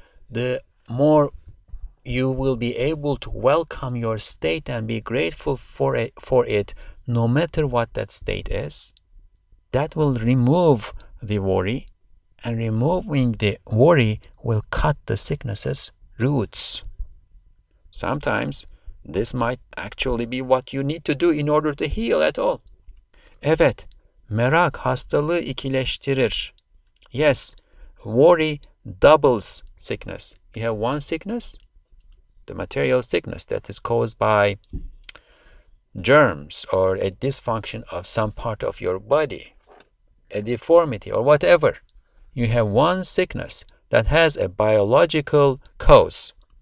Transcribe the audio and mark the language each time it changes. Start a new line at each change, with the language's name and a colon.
English: The more you will be able to welcome your state and be grateful for it, no matter what that state is. That will remove the worry, and removing the worry will cut the sickness's roots. Sometimes this might actually be what you need to do in order to heal at all.
Turkish: Evet, merak hastalığı ikileştirir.
English: Yes, worry doubles sickness. You have one sickness, the material sickness that is caused by germs or a dysfunction of some part of your body. A deformity or whatever. You have one sickness that has a biological cause.